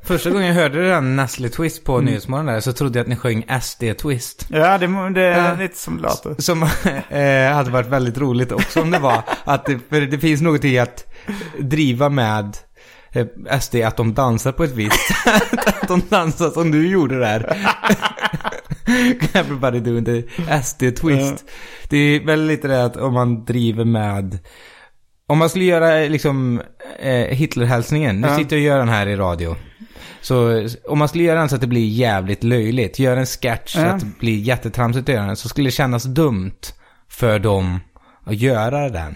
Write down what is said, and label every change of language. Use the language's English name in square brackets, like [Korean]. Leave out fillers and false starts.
[Swedish] Första gången jag hörde den Nestle Twist på Nyhetsmorgon där, så trodde jag att ni sjöng SD Twist. Ja, det är lite som låter. Som hade varit väldigt roligt också om det var. För det finns något i att driva med... SD, att de dansar på ett visst sätt. Att de dansar som du gjorde där. [English] Everybody doing the SD twist. [Swedish] Det är väldigt det att om man driver med... Om man skulle göra liksom Hitlerhälsningen. Nu sitter jag och gör den här i radio. Så om man skulle göra den så att det blir jävligt löjligt. Gör en sketch så att det blir jättetramsigt att göra den. Så skulle det kännas dumt för dem att göra den.